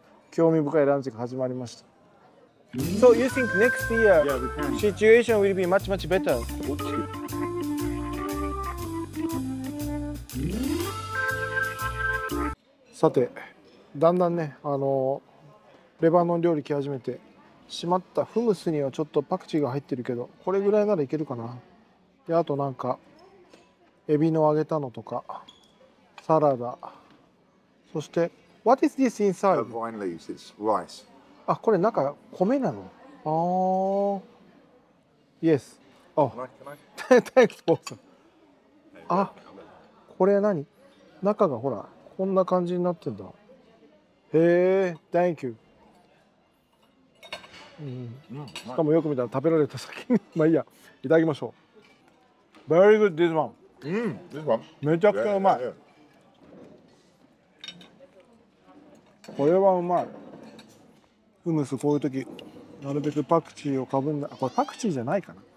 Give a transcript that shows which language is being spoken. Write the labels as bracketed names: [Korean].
[Japanese] 興味深いランチが始まりました。 [English] So you think next year situation will be much much better? [Japanese] さて、だんだんね、レバノン料理来始めて、しまった、フムスにはちょっとパクチーが入ってるけど、これぐらいならいけるかな。で、あとなんかエビの揚げたのとかサラダ、そして [English] What is this inside? Vine leaves, it's rice. [Japanese] あ、これ中米なの。あー Yes. [English] Can I? Thanks, boss. [Japanese] あ、これ何、中がほらこんな感じになってんだ。 [English] へえ、Thank you。 [Japanese] しかもよく見たら食べられた先に。まあいいや、いただきましょう。 [English] Very good this one。うん、this one。 [Japanese] めちゃくちゃうまい。これはうまい。フムス、こういう時なるべくパクチーをかぶんだ。これパクチーじゃないかな。